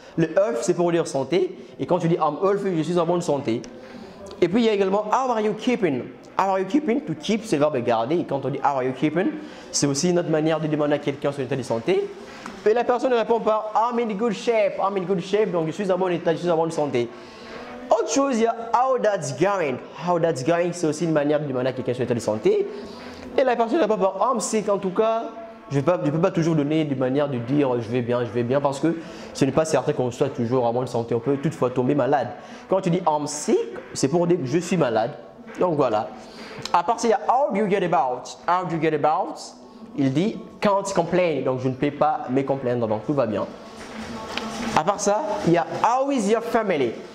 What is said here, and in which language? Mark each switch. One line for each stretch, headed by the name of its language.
French: Le health, c'est pour dire santé. Et quand tu dis
English: I'm healthy,
French: je suis en bonne santé. Et puis il y a également
English: how are you keeping? How are you keeping? To keep,
French: c'est le verbe garder. Et quand on dit
English: how are you keeping,
French: c'est aussi une autre manière de demander à quelqu'un son état de santé. Et la personne répond par
English: I'm in good shape. I'm in good shape.
French: Donc je suis en bon état, je suis en bonne santé. Autre chose, il y a
English: how that's going. How that's going,
French: c'est aussi une manière de demander à quelqu'un son état de santé. Et la personne répond par
English: I'm sick.
French: En tout cas, je ne peux pas toujours donner de manière de dire je vais bien, parce que ce n'est pas certain qu'on soit toujours en bonne santé. On peut toutefois tomber malade. Quand tu dis
English: I'm sick,
French: c'est pour dire que je suis malade. Donc voilà. À part ça, il y a
English: how do you get about? How do you get about?
French: Il dit
English: can't complain.
French: Donc je ne peux pas me complaindre. Donc tout va bien. À part ça, il y a
English: how is your family?